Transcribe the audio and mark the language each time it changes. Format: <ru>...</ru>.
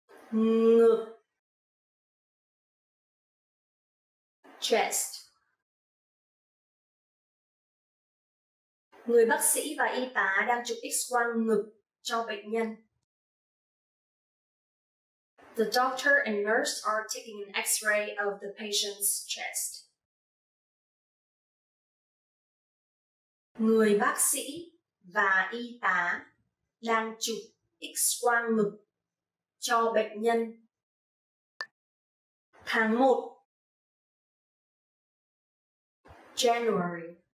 <vi>Ngực.</vi> <en>Chest.</en> <vi>Người bác sĩ và y tá đang chụp X-quang ngực cho bệnh nhân.</vi> <en>The doctor and nurse are taking an X-ray of the patient's chest.</en> <vi>Người bác sĩ và y tá đang chụp X-quang ngực cho bệnh nhân. Tháng 1</vi> <en>January.</en>